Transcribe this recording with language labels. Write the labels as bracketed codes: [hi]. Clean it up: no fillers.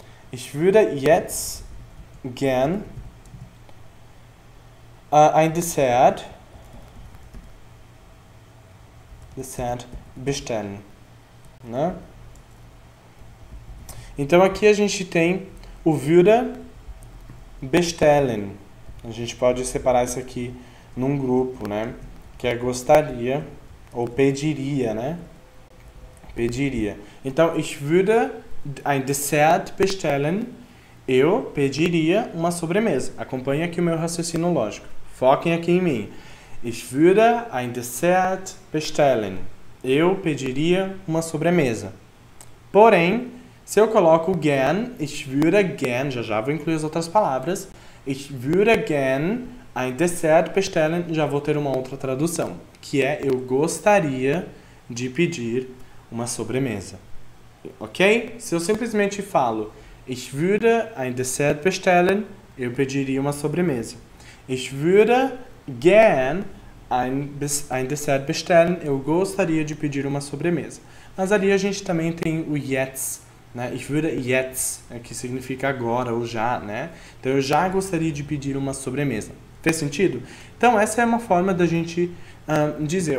[de] Ich würde jetzt gern ein Dessert bestellen, né? [pt] Então aqui a gente tem o würde bestellen. A gente pode separar isso aqui num grupo, né? Que é gostaria ou pediria, né? Pediria. [de] Então, ich würde ein Dessert bestellen. [pt] Eu pediria uma sobremesa. Acompanhe aqui o meu raciocínio lógico. Foquem aqui em mim. [de] Ich würde ein Dessert bestellen. [pt] Eu pediria uma sobremesa. Porém, se eu coloco gern, ich würde gern, já já vou incluir as outras palavras. [de] Ich würde gern ein Dessert bestellen. [pt] Já vou ter uma outra tradução, que é eu gostaria de pedir uma sobremesa. Ok? Se eu simplesmente falo Ich würde ein Dessert bestellen, eu pediria uma sobremesa. [de] Ich würde gern ein Dessert bestellen, eu gostaria de pedir uma sobremesa. [pt] Mas ali a gente também tem o jetzt. Né? Ich würde jetzt, que significa agora ou já, né? Então eu já gostaria de pedir uma sobremesa. Fez sentido? Então essa é uma forma da gente dizer.